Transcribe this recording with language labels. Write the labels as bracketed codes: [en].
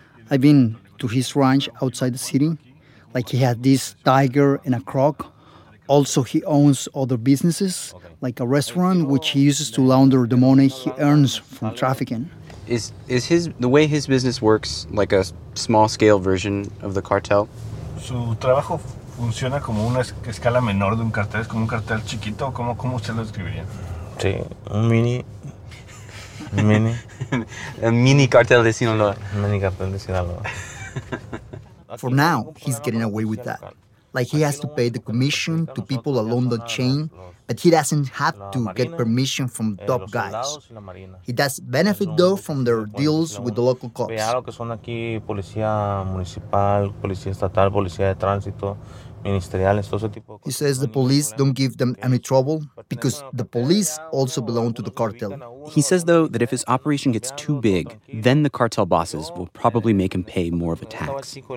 [en] I've been to his ranch outside the city. Like, he had this tiger and a croc. Also, he owns other businesses, like a restaurant, which he uses to launder the money he earns from trafficking. Is his the way his business works like a small-scale version of the cartel? [es] Su trabajo funciona como una escala menor de un cartel, como un cartel chiquito. ¿Cómo usted lo describiría? Sí, un mini. A mini cartel de Sinaloa. Mini cartel de Sinaloa. [en] For now, he's getting away with that. Like, he has to pay the commission to people along the chain, but he doesn't have to get permission from top guys. He does benefit though from their deals with the local cops. [es] Vea lo que son aquí, policía municipal, policía estatal, policía de tránsito. [en] He says the police don't give them any trouble because the police also belong to the cartel. He says, though, that if his operation gets too big, then the cartel bosses will probably make him pay more of a tax.